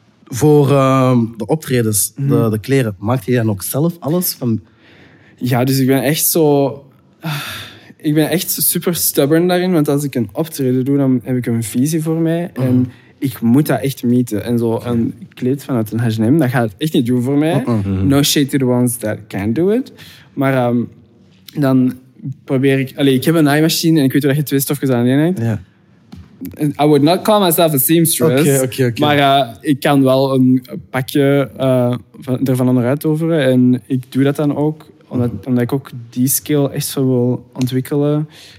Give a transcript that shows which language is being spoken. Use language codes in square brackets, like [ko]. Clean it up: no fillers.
[nl] Voor de optredens, de kleren, maakt hij dan ook zelf alles? Ja, dus ik ben echt [en] super stubborn [nl] daarin. Want als ik een optreden doe, dan heb ik een visie voor mij. Mm-hmm. En ik moet dat echt meten. En zo een kleed vanuit een H&M, dat gaat echt niet doen voor mij. Mm-hmm. [en] No shade to the ones that can do it. [nl] Maar dan probeer ik... Allee, ik heb een naaimachine en ik weet hoe je twee stofjes aan een hangt. [en] Yeah. I would not call myself a seamstress. Okay. [nl] Maar ik kan wel een pakje ervan onderuit overen. En ik doe dat dan ook. Omdat ik ook die skill echt zo wil ontwikkelen.